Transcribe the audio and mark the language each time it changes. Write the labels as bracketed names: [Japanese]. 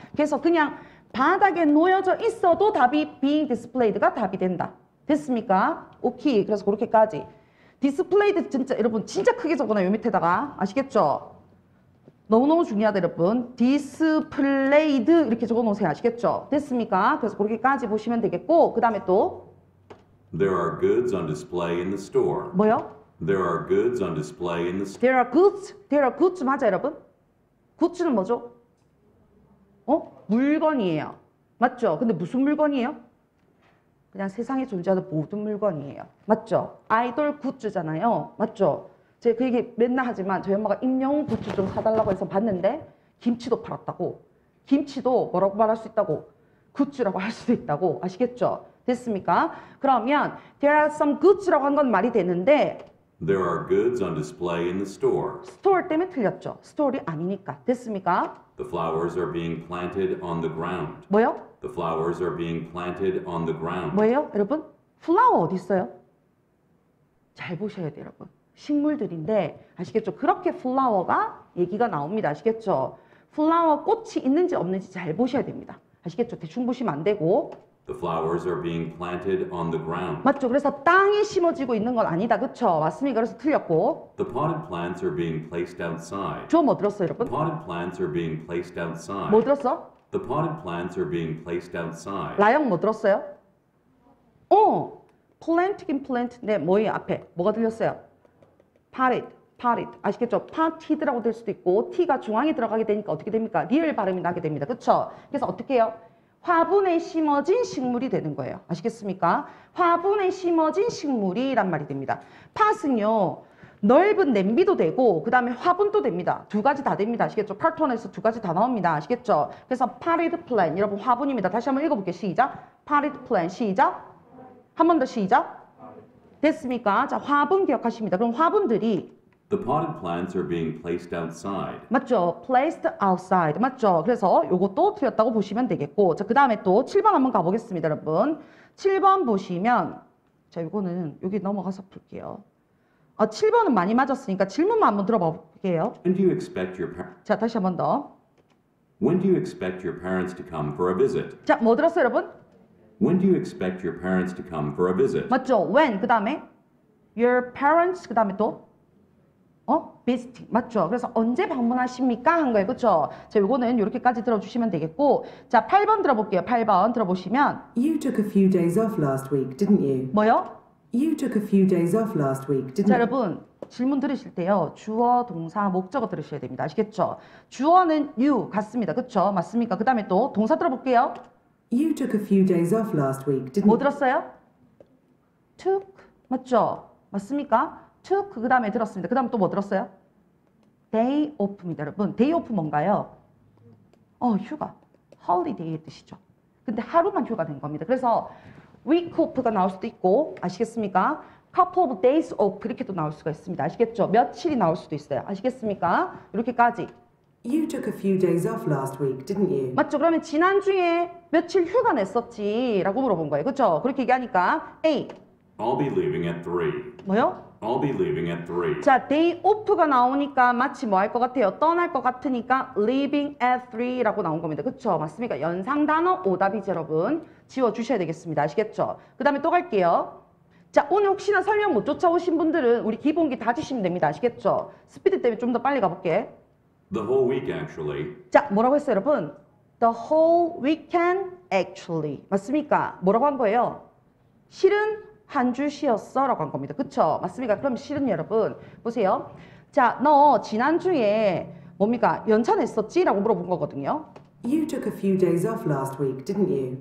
[Korean] 그래서 그냥 바닥에 놓여져 있어도 답이 [English] being displayed [Korean] 가 답이 된다. 됐습니까? 오케이. 그래서 그렇게까지. displayed 진짜, 여러분, 진짜 크게 적어놔요, 요 밑에다가. 아시겠죠? 너무너무 중요하다, 여러분. displayed 이렇게 적어놓으세요. 아시겠죠? 됐습니까? 그래서 그렇게까지 보시면 되겠고, 그 다음에 또. [English] There are goods on display in the store. [Korean] 뭐요? [English] There are goods on display in the store. There are goods. There are goods [Korean] 맞아, 여러분? goods는 뭐죠? 어? 물건이에요. 맞죠? 근데 무슨 물건이에요? 그냥 세상에 존재하는 모든 물건이에요. 맞죠? 아이돌 굿즈잖아요. 맞죠? 제가 그 얘기 맨날 하지만 저희 엄마가 임영웅 굿즈 좀 사달라고 해서 봤는데 김치도 팔았다고. 김치도 뭐라고 말할 수 있다고? 굿즈라고 할 수도 있다고. 아시겠죠? 됐습니까? 그러면 [English] there are some goods [Korean] 라고 한 건 말이 되는데 [English] There are goods on display in the store. [Korean] Store 때문에 틀렸죠. Store이 아니니까. 됐습니까? [English] The flowers are being planted on the ground. [Korean] 뭐요? [English] The flowers are being planted on the ground. [Korean] 뭐예요, 여러분? Flower 어디 있어요? 잘 보셔야 돼요, 여러분. 식물들인데 아시겠죠? 그렇게 flower가 얘기가 나옵니다. 아시겠죠? Flower 꽃이 있는지 없는지 잘 보셔야 됩니다. 아시겠죠? 대충 보시면 안 되고. [English] The flowers are being planted on the ground. [Korean] 맞죠. 그래서 땅에 심어지고 있는 건 아니다. 그렇죠? 맞습니까? 그래서 틀렸고. [English] The potted plants are being placed outside. [Korean] 저 뭐 들었어요, 여러분? [English] The potted plants are being placed outside. [Korean] 뭐 들었어? [English] The potted plants are being placed outside. [Korean] 라영 뭐 들었어요? 어. Plant긴 plant. 네, 뭐예요, 앞에? 뭐가 들렸어요? Potted. Potted. 아시겠죠? Potted라고 될 수도 있고 T가 중앙에 들어가게 되니까 어떻게 됩니까? 리얼 발음이 나게 됩니다. 그렇죠? 그래서 어떻게 해요? 화분에 심어진 식물이 되는 거예요. 아시겠습니까? 화분에 심어진 식물이란 말이 됩니다. 팟은요, 넓은 냄비도 되고 그 다음에 화분도 됩니다. 두 가지 다 됩니다. 아시겠죠? 파트너에서 두 가지 다 나옵니다. 아시겠죠? 그래서 potted plant, 여러분 화분입니다. 다시 한번 읽어볼게요. 시작. [English] potted plant, 시작. [Korean] 한 번 더 시작. 됐습니까? 자, 화분 기억하십니다. 그럼 화분들이 [English] The potted plants are being placed outside. [Korean] 맞죠? [English] Placed outside. [Korean] 맞죠? 그래서 이것도 틀렸다고 보시면 되겠고 자, 그 다음에 또 7번 한번 가보겠습니다, 여러분. 7번 보시면 자, 이거는 여기 넘어가서 볼게요. 아, 7번은 많이 맞았으니까 질문만 한번 들어봐 볼게요. [English] When do you expect your parents? [Korean] 자, 다시 한번 더. [English] When do you expect your parents to come for a visit? [Korean] 자, 뭐 들었어요, 여러분? [English] When do you expect your parents to come for a visit? [Korean] 맞죠? When, 그 다음에 [English] Your parents, [Korean] 그 다음에 또 어? visiting 맞죠? 그래서 언제 방문하십니까? 한 거예요. 그렇죠? 자, 요거는 요렇게까지 들어주시면 되겠고 자, 8번 들어볼게요. 8번 들어보시면 [English] You took a few days off last week, didn't you? [Korean] 뭐요? [English] You took a few days off last week, didn't you? [Korean] 자, 여러분 질문 들으실 때요. 주어, 동사, 목적어 들으셔야 됩니다. 아시겠죠? 주어는 you 같습니다. 그렇죠? 맞습니까? 그 다음에 또 동사 들어볼게요. [English] You took a few days off last week, didn't you? [Korean] 뭐 들었어요? took 맞죠? 맞습니까? took 그 다음에 들었습니다. 그 다음 또 뭐 들었어요? day off입니다, 여러분. day off 뭔가요? 어, 휴가. holiday의 뜻이죠. 근데 하루만 휴가 된 겁니다. 그래서 [English] week off [Korean] 가 나올 수도 있고 아시겠습니까? [English] couple of days off [Korean] 이렇게도 나올 수가 있습니다. 아시겠죠? 며칠이 나올 수도 있어요. 아시겠습니까? 이렇게까지. [English] You took a few days off last week, didn't you? [Korean] 맞죠? 그러면 지난주에 며칠 휴가 냈었지? 라고 물어본 거예요. 그렇죠? 그렇게 얘기하니까 A. [English] I'll be leaving at 3. [Korean] 뭐요? [English] I'll be leaving at 3. [Korean] 자, day off가 나오니까 마치 뭐 할 것 같아요? 떠날 것 같으니까 [English] leaving at 3 [Korean] 라고 나온 겁니다. 그렇죠? 맞습니까? 연상 단어 오답이죠, 여러분. 지워주셔야 되겠습니다. 아시겠죠? 그 다음에 또 갈게요. 자, 오늘 혹시나 설명 못 쫓아오신 분들은 우리 기본기 다 주시면 됩니다. 아시겠죠? 스피드 때문에 좀 더 빨리 가볼게. [English] The whole week, actually. [Korean] 자, 뭐라고 했어요, 여러분? [English] The whole weekend, actually. [Korean] 맞습니까? 뭐라고 한 거예요? 실은? 한 주 쉬었어 라고 한 겁니다. 그쵸? 맞습니까? 그럼 실은 여러분 보세요. 자, 너 지난주에 뭡니까? 연차 냈었지? 라고 물어본 거거든요. [English] You took a few days off last week, didn't you?